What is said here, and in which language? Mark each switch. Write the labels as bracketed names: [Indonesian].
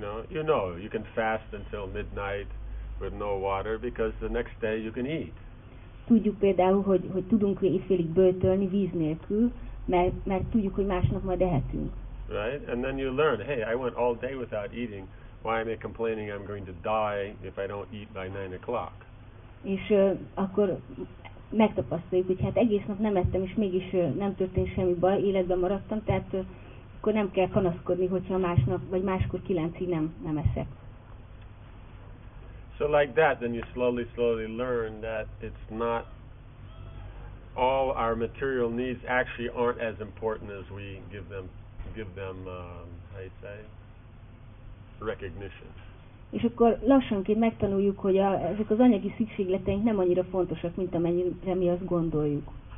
[English] You know, you can fast until midnight with no water, because the next day you can eat. [Hungarian] Tudjuk például, hogy tudunk éjfélig böjtölni víz nélkül, mert tudjuk, hogy másnap majd ehetünk. [English] Right? And then you learn, hey, I went all day without eating. Why am I complaining I'm going to die if I don't eat by 9 o'clock? [Hungarian] És akkor megtapasztaljuk, hogy hát egész nap nem ettem, és mégis nem történt semmi baj, életben maradtam, tehát akkor nem kell panaszkodni, hogyha másnap, vagy máskor 9-ig nem eszek. [English] So like that, then you slowly learn that it's not all our material needs actually aren't as important as we give them how you say recognition. [Hungarian] És akkor lassanként megtanuljuk, hogy ezek az anyagi szükségleteink nem annyira fontosak, mint amennyire mi azt gondoljuk.